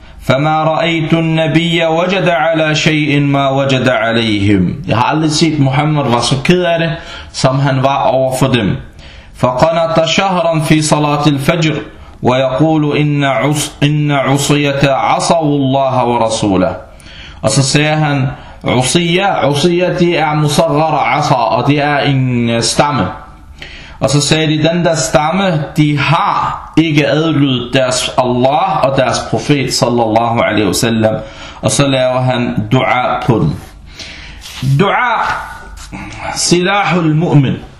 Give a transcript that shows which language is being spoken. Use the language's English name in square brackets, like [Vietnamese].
[Arabic] فما رأيت النبي وجد على شيء ما وجد عليهم. [Danish] Jeg har aldrig set Muhammad var så ked af det, som han var over for dem. [Arabic] فقنط شهرا في صلاة الفجر ويقول إن عصية عصوا الله ورسوله. [Danish] Og så sagde han, Usiyya, det er musagara asa, og det er en stamme. Og så sagde de, den der stamme, de har ikke adlydt deres Allah og deres profet, sallallahu alaihi wasallam. Og så laver han dua på den. Dua, [Arabic] silahul mu'min.